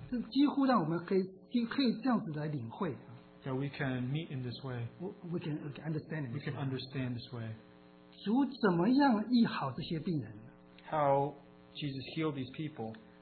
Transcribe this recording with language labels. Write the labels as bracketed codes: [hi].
[zh] 几乎让我们可以这样子来领会。 [en] That we can meet in this way. We can understand this way. We can understand this way. [zh] 主怎么样医好这些病人？ [en] How Jesus healed these people.